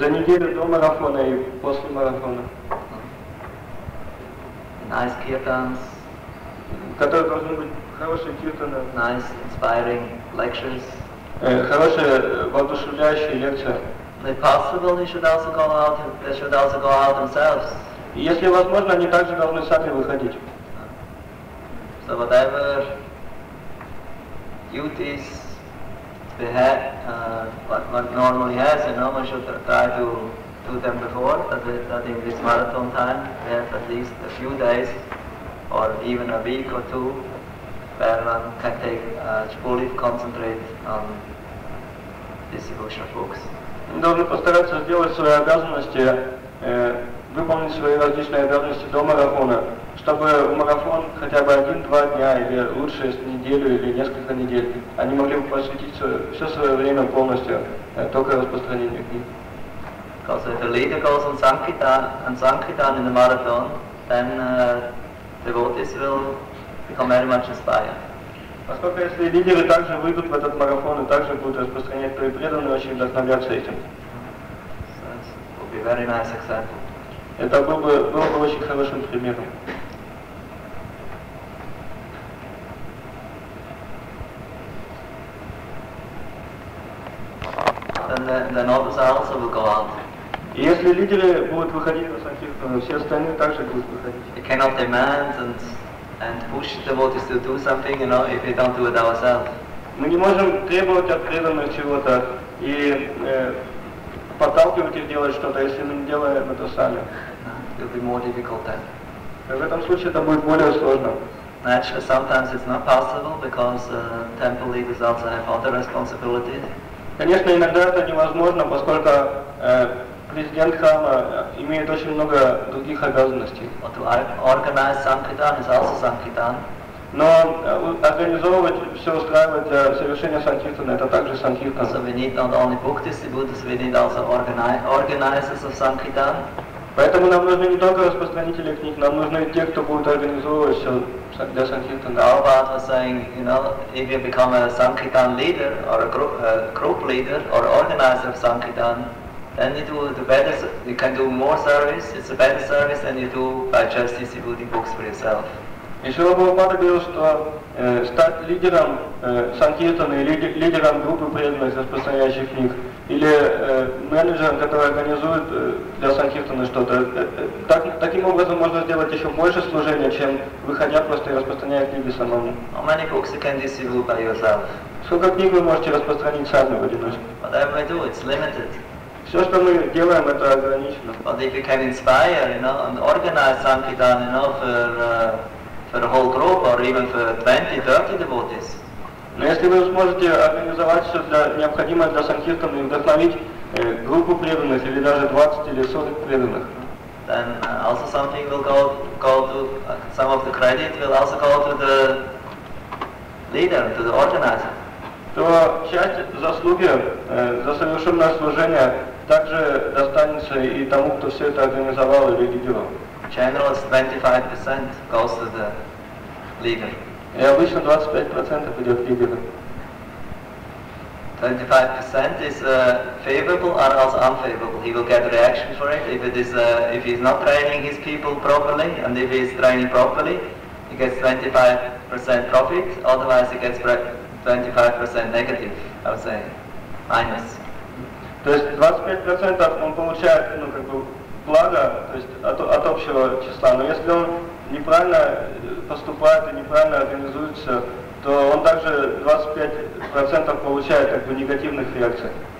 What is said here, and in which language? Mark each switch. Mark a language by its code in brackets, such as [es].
[ru] за неделю до марафона и после марафона. [en] Nice kirtans. [ru] Которые должны быть хорошие киртаны. [en] Nice, inspiring lectures. [ru] Хорошие, воодушевляющие лекции. [en] If possible, they should also go out themselves. [ru] Если возможно, они также должны сами выходить. [en] So whatever duties they have, what normally has, you know, we should try to do them before, that in this marathon time, they have at least a few days. Or even a week or two, where one can take fully concentrate on distribution of books. [ru] Мы должны постараться сделать свои обязанности, выполнить свои различные обязанности до марафона, чтобы в марафон хотя бы 1-2 дня или лучше неделю или несколько недель они могли бы посвятить все свое время полностью только распространению книг. [en] Because if the leader goes on Sankirtan in the marathon, then devotees will become very much inspired. [ru] Поскольку если лидеры также выйдут в этот марафон и также будут распространять, то и преданные очень вдохновятся этим. [en] Will be very nice example. [ru] Это был бы очень хорошим примером. [en] Then others also will go out. [ru] И если лидеры будут выходить на санкиртану, все остальные также будут выходить. [en] We cannot demand and push the devotees to do something, you know, if we don't do it ourselves. [ru] Мы не можем требовать от преданных чего-то и подталкивать их делать что-то, если мы не делаем это сами. [en] It will be more difficult then. [ru] В этом случае это будет более сложно. [en] Actually, sometimes it's not possible because temple leaders also have other responsibilities. [ru] Конечно, иногда это невозможно, поскольку президент храма имеет очень много других обязанностей. [en] But to organize Sankirtan is also Sankirtan. [ru] Но организовывать, все устраивать для совершения Санкиртана, это также Санкиртан. [en] So we need not only book distributors, we need also organizers of Sankirtan. [ru] Поэтому нам нужны не только распространители книг, нам нужны те, кто будет организовывать все для Санкиртана. [en] Gaubhata was saying, you know, if you become a Sankirtan leader, or a group leader, or organizer of Sankirtan, then you do the better. You can do more service. It's a better service than you do by just distributing books for yourself. [ru] Ишила Прабхупада говорил, что стать лидером Санкиртаны, лидером группы преданных распространяющих книг, или менеджером, который организует для Санкиртаны что-то, таким образом можно сделать еще больше служения, чем выходя просто и распространяя книги самому. [en] How many books you can distribute by yourself? [ru] Сколько книг вы можете распространить сами в одиночку? [en] Whatever I do, it's limited. [ru] Все, что мы делаем, это ограничено. [en] But if you can inspire, you know, and organize Sankirtan, you know, for a whole group or even for 20-30 devotees. [ru] Но если вы сможете организовать все для, необходимое для Санкиртана и вдохновить группу преданных или даже 20 или 40 преданных, [en] then also something will go to some of the credit will also go to the leader, to the organizer. [ru] То часть заслуги за совершенное служение также достанется и тому, кто все это организовал или ведет. [en] Generally 25% goes to the leader. [ru] И обычно 25% идет к лидеру. [en] 25% is favorable or also unfavorable. He will get a reaction for it. If it is if he's not training his people properly, and if he's training properly, he gets 25% profit, otherwise he gets 25% negative, I would say. Minus. [ru] То есть 25% он получает, ну, как бы, благо, то есть от общего числа. Но если он неправильно поступает и неправильно организуется, то он также 25% получает, как бы, негативных реакций.